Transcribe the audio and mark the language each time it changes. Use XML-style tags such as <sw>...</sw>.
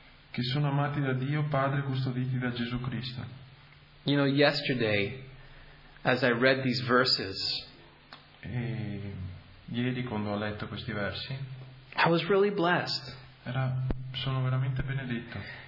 <it>Che sono amati da Dio Padre, custoditi da Gesù Cristo.</it> <en>You know, yesterday, as I read these verses,</en> <it>ieri quando ho letto questi versi,</it> <en>I was really blessed.</en> <it>Sono veramente benedetto.</it>